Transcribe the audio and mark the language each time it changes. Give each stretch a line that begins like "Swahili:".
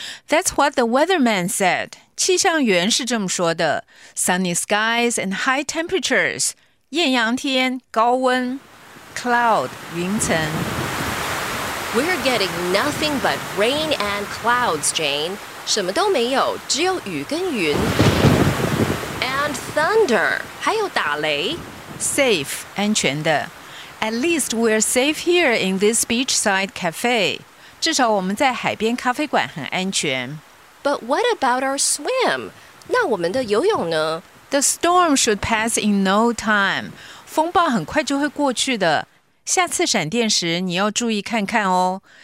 English: ？That's what the weatherman said.
Chinese: 气象员是这么说的
English: ,sunny skies and high temperatures,
Chinese: 艳阳天高温
English: ,cloud, 云层。 We're getting nothing but rain and clouds, Jane.
Chinese: 什么都没有只有雨跟云。
English: And thunder,
Chinese: 还有打雷。
English: Safe,
Chinese: 安全的。
English: At least we're safe here in this beachside cafe.
Chinese: 至少我们在海边咖啡馆很安全。
English: But what about our swim?
Chinese: 那我们的游泳呢
English: ？The storm should pass in no time.
Chinese: 风暴很快就会过去的。下次闪电时你要注意看看哦。